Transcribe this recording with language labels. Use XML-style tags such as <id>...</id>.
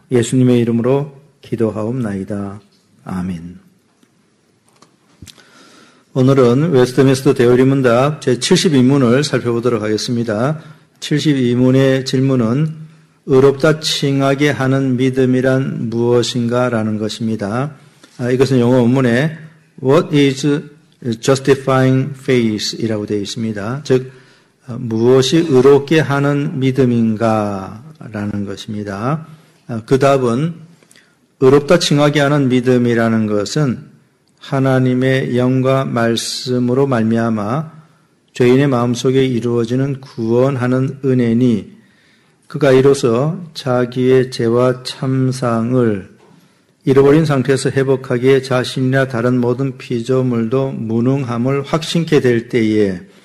<ko>예수님의 이름으로 기도하옵나이다. 아멘. 오늘은 웨스트민스터 대요리 문답 제72문을 살펴보도록 하겠습니다. 72문의 질문은 의롭다 칭하게 하는 믿음이란 무엇인가 라는 것입니다. 이것은 영어 원문에</ko> <en>What is justifying faith?</en> <ko>이라고 되어 있습니다. 즉, 무엇이 의롭게 하는 믿음인가 라는 것입니다. 그 답은 의롭다 칭하게 하는 믿음이라는 것은 하나님의 영과 말씀으로 말미암아 죄인의 마음속에 이루어지는 구원하는 은혜니 그가 이로써 자기의 죄와 참상을 잃어버린 상태에서 회복하기에 자신이나 다른 모든 피조물도 무능함을 확신케 될 때에</ko>